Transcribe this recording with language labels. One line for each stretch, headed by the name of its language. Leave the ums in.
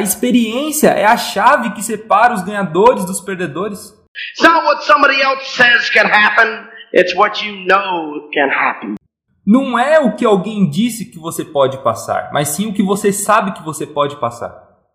Portuguese: experiência é a chave que separa os ganhadores dos perdedores.
English: It's so not what somebody else says can happen, it's what you know can happen
Portuguese: não é o que alguém disse que você pode passar, mas sim o que você sabe que você pode passar.